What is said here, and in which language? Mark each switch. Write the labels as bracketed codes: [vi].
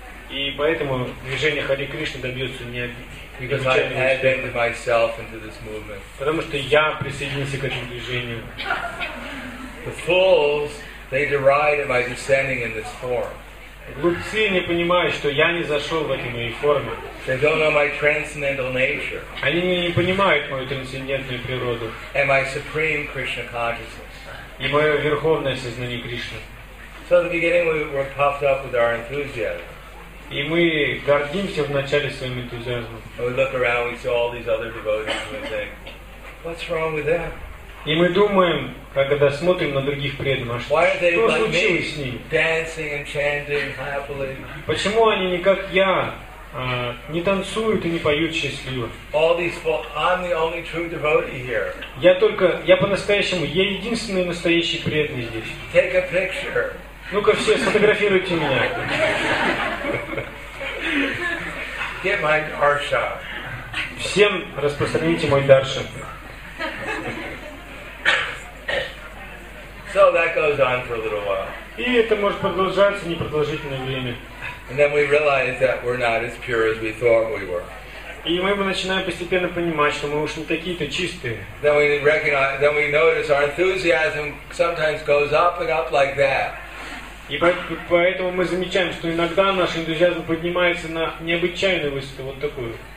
[ru] И поэтому движение Хари Кришны добьется необычной. [en] Because I added myself into this movement. [ru] Потому что я присоединился к этому движению. [en] The fools, they derided my descending in this form. [ru] Глупцы не понимают, что я не зашел в эти мои формы. [en] They don't know my transcendental nature. [ru] Они не понимают мою трансцендентную природу. [en] And my supreme Krishna consciousness. [ru] И мое верховное сознание Кришны. [en] So in the beginning we were puffed up with our enthusiasm. [ru] И мы гордимся в начале своим энтузиазмом. [en] We look around, we see all these other devotees, and we think, what's wrong with them? [ru] И мы думаем, когда смотрим на других преданных, что случилось с ними? [en] Dancing and chanting happily. [ru] Почему они не как я, не танцуют и не поют счастливо? [en] All these, I'm the only true devotee here. [ru] Я по-настоящему, я единственный настоящий преданный здесь. [en] Take a picture. [ru] Ну-ка все, сфотографируйте меня. [en] Get my darshan. [ru] Всем распространите мой даршан. [en] So that goes on for a little while. [ru] И это может продолжаться непродолжительное время. [en] And then we realize that we're not as pure as we thought we were. [ru] И мы начинаем постепенно понимать, что мы уж не такие-то чистые. [en] Then we recognize, then we notice our enthusiasm sometimes goes up and up like that. [ru] И поэтому мы замечаем, что иногда наш энтузиазм поднимается на необычайную высоту, вот такую.